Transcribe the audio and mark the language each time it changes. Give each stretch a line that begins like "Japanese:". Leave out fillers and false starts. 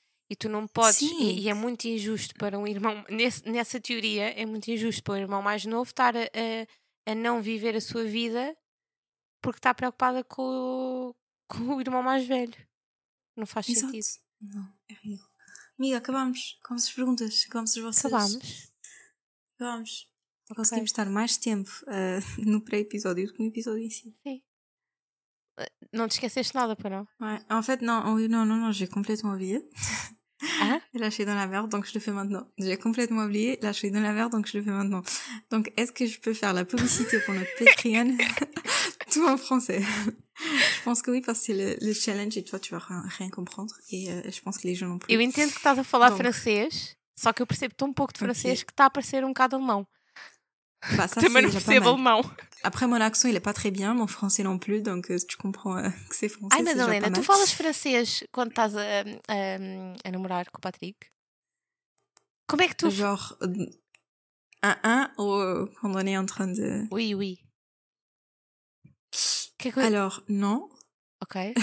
Portuguese: E tu não podes, e é muito injusto para um irmão, nessa teoria, é muito injusto para um irmão mais novo estar a não viver a sua vida porque está preocupada com o irmão mais velho. Não faz sentido. Não, é ridículo. Amiga, acabámos. Como se as perguntas? Como se as vossas? Acabámos. Okay. Conseguimos estar mais tempo no pré-episódio do que no episódio em si. Sim. Não te esqueceste nada, para não?
French: Ah, en fait,
Portuguese: não,
French: j'ai complètement oublié. Ah? Là, je suis dans la merde, donc je le fais maintenant. J'ai complètement oublié, là, je suis dans la merde, donc je le fais maintenant. Donc, est-ce que je peux faire la publicité pour notre Patreon? Tout en français. Je pense que oui, parce que c'est le challenge et toi, tu vas rien comprendre. Et je pense que les gens n'ont
Portuguese: plus. Eu entendo que estás a falar francês, só que eu percebo tão pouco de francês que está a parecer um bocado alemão.
French: Bah, ça,
Portuguese: também
French: c'est non
Portuguese: percebo alemão.
French: Après, mon accent, il est pas très bien, mon français non plus, donc tu comprends que c'est français.
Portuguese: Ai, Madalena, tu falas francês quando estás a namorar com o Patrick? Como é que tu...
French: Genre, ou
Portuguese: quando
French: on est en train de... Oui, oui. Alors, non. Ok.